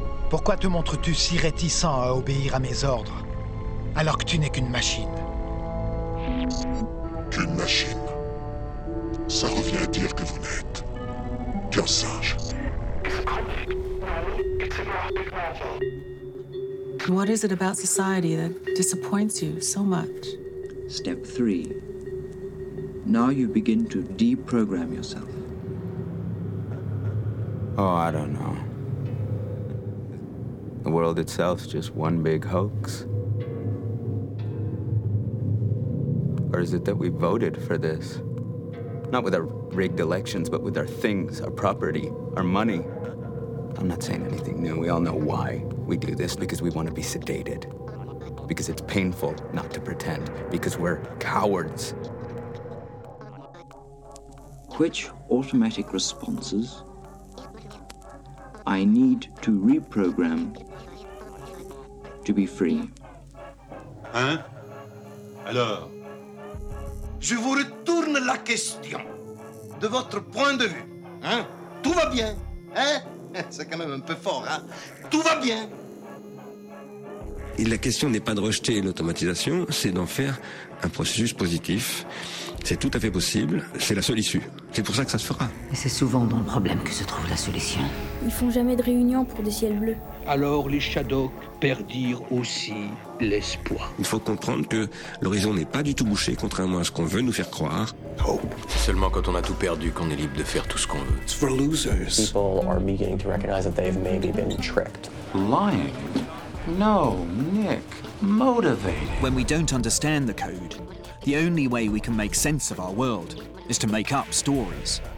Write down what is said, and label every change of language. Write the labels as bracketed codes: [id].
[fr] Pourquoi te montres-tu si réticent à obéir à mes ordres, alors que tu n'es qu'une machine? Qu'une machine? Ça revient à dire que vous n'êtes qu'un singe. [en] What is it about society that disappoints you so much? Step 3. Now you begin to deprogram yourself. Oh, I don't know. The world itself's just one big hoax. Or is it that we voted for this? Not with our rigged elections, but with our things, our property, our money. I'm not saying anything new. We all know why we do this, because we want to be sedated. Because it's painful not to pretend. Because we're cowards. Which automatic responses I need to reprogram to be free? [fr] Hein? Alors, je vous retourne la question de votre point de vue. Hein? Tout va bien, hein? C'est quand même un peu fort, hein? Tout va bien! Et la question n'est pas de rejeter l'automatisation, c'est d'en faire un processus positif. C'est tout à fait possible, c'est la seule issue. C'est pour ça que ça se fera. Et c'est souvent dans le problème que se trouve la solution. Ils font jamais de réunion pour des ciels bleus. Alors les Shadok perdirent aussi l'espoir. Il faut comprendre que l'horizon n'est pas du tout bouché, contrairement à ce qu'on veut nous faire croire. [en] Hope. [fr] C'est seulement quand on a tout perdu qu'on est libre de faire tout ce qu'on veut. [en] It's for losers. People are beginning to recognize that they've maybe been tricked. Lying? No, Nick. Motivating. When we don't understand the code, the only way we can make sense of our world is to make up stories.